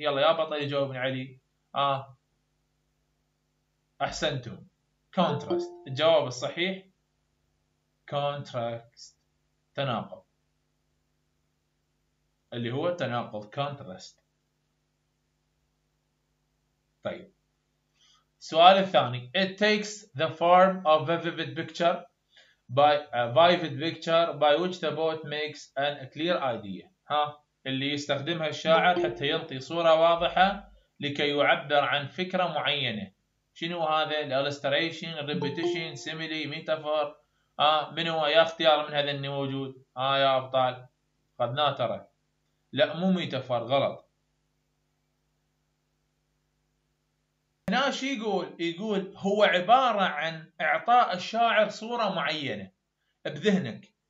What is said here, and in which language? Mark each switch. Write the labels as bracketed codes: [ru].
[ar] يلا يا بطل يجاوبني علي. احسنتم، كونتراست. الجواب الصحيح كونتراست، تناقض. اللي هو تناقض contrast. طيب السؤال الثاني, [en] it takes the form of a vivid picture by a vivid picture by which the poet makes an clear idea. [ar] ها اللي يستخدمها الشاعر حتى ينطي صورة واضحة لكي يعبر عن فكرة معينة. شنو هذا؟ [en] illustration, repetition, simile, metaphor. [ar] من هو؟ يا اختيار من هذا اللي موجود. يا ابطال خذناه ترى. لا مو ميتافور, غلط. هنا شو يقول؟ يقول هو عبارة عن اعطاء الشاعر صورة معينة بذهنك.